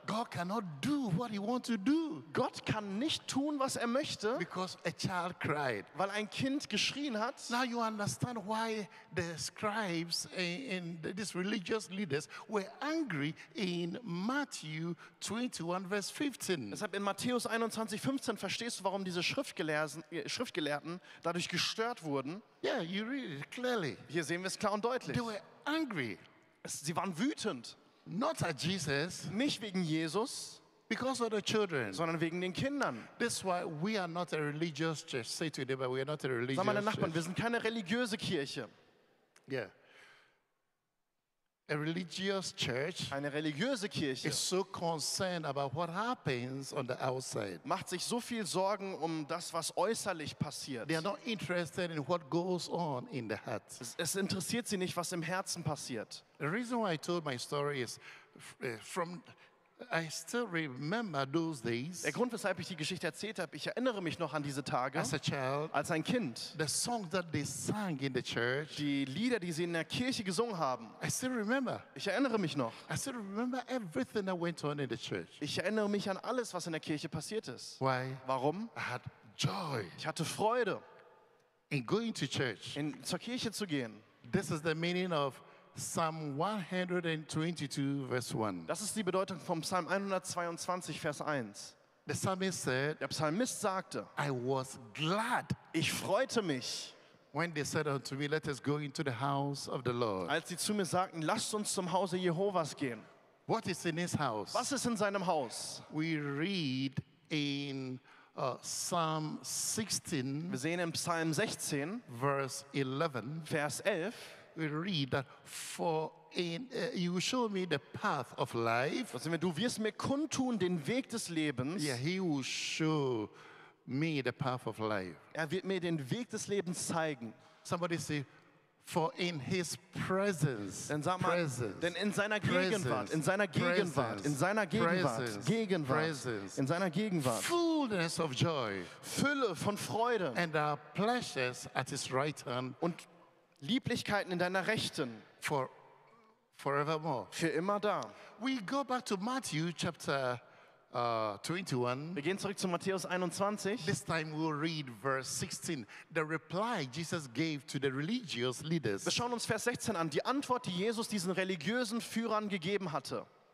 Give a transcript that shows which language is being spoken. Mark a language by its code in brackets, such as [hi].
[en] God cannot do what he wants to do. [de] Gott kann nicht tun, was er möchte. [en] Because a child cried. [de] Weil ein Kind geschrien hat. [en] Now you understand why the scribes and these religious leaders were angry in Matthew 21 verse 15. [de] Deshalb in Matthäus 21, 15 verstehst du, warum diese Schriftgelehrten dadurch gestört wurden. [en] Yeah, you read it clearly. [de] Hier sehen wir es klar und deutlich. [en] They were angry. [de] Sie waren wütend. [en] Not at Jesus, [de] nicht wegen Jesus, [en] because of the children, [de] sondern wegen den Kindern. [en] This is why we are not a religious church. Say to them, we are not a religious church. [de] Sag mal, Nachbarn, wir sind keine religiöse Kirche. [en] Yeah. A religious church, [de] eine religiöse Kirche, [en] is so concerned about what happens on the outside. [de] Macht sich so viel Sorgen um das, was äußerlich passiert. [en] They are not interested in what goes on in the heart. [de] Es interessiert sie nicht, was im Herzen passiert. [en] The reason why I told my story is from I still remember those days. [de] Der Grund, weshalb ich die Geschichte erzählt habe, ich erinnere mich noch an diese Tage. [en] As a child, [de] als ein Kind. [en] The songs that they sang in the church. [de] Die Lieder, die sie in der Kirche gesungen haben. [en] I still remember. [de] Ich erinnere mich noch. [en] I still remember everything that went on in the church. [de] Ich erinnere mich an alles, was in der Kirche passiert ist. [en] Why? [de] Warum? [en] I had joy. [de] Ich hatte Freude. [en] In going to church. [de] In zur Kirche zu gehen. [en] This is the meaning of Psalm 122, verse 1. [de] Das ist die Bedeutung vom Psalm 122, Vers 1. [en] The psalmist said, [de] der Psalmist sagte, [en] I was glad. [de] Ich freute mich. [en] When they said unto me, let us go into the house of the Lord. [de] Als sie zu mir sagten, lasst uns zum Hause Jehovas gehen. [en] What is in his house? [de] Was ist in seinem Haus? [en] We read in Psalm 16. [de] Wir sehen im Psalm 16. [en] Verse 11. [de] Vers 11. [en] We read that for in you show me the path of life. [de] Was sind wir? Du wirst mir kundtun den Weg des Lebens. [en] Yeah, he will show me the path of life. [de] Er wird mir den Weg des Lebens zeigen. [en] Somebody say, for in his presence. [de] Dann sag mal, denn in seiner Gegenwart, in seiner Gegenwart, in seiner Gegenwart, Gegenwart, in seiner Gegenwart. [en] Fullness of joy. [de] Fülle von Freude. [en] And our pleasures at his right hand. [de] Und Lieblichkeiten in deiner Rechten. [en] Forevermore. [de] Für immer da. [en] We go back to Matthew chapter 21. [de] Wir gehen zurück zu Matthäus 21. [en] This time we'll read verse 16. The reply Jesus gave to the religious leaders. [de] Wir schauen uns Vers 16 an. Die Antwort, die Jesus diesen religiösen Führern gegeben hatte.